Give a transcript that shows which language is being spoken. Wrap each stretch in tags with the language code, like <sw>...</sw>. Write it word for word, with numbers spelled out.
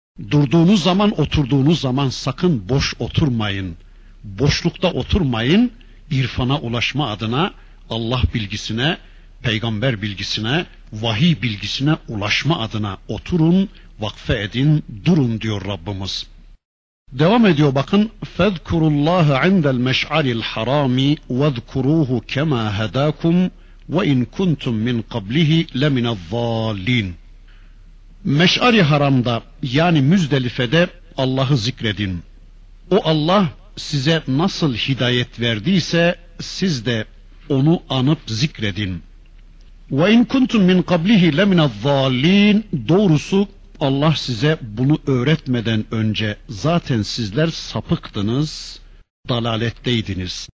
<tr>Durduğunuz zaman, oturduğunuz zaman sakın boş oturmayın. Boşlukta oturmayın, irfana ulaşma adına, Allah bilgisine, peygamber bilgisine, vahiy bilgisine ulaşma adına oturun, vakfe edin, durun diyor Rabbimiz. Devam ediyor bakın.</tr> <ar>فَذْكُرُوا اللّٰهَ عِنْدَ الْمَشْعَرِ الْحَرَامِ وَذْكُرُوهُ كَمَا هَدَاكُمْ وَاِنْ كُنْتُمْ مِنْ قَبْلِهِ لَمِنَ الظَّالِينَ</ar> <tr>Meş'ari Haram'da, yani Müzdelife'de Allah'ı zikredin. O Allah size nasıl hidayet verdiyse siz de onu anıp zikredin.</tr> <ar>وَاِنْ كُنْتُمْ مِنْ قَبْلِهِ لَمِنَ الظَّالِينَ</ar> <tr>Doğrusu Allah size bunu öğretmeden önce zaten sizler sapıktınız, dalaletteydiniz.</tr>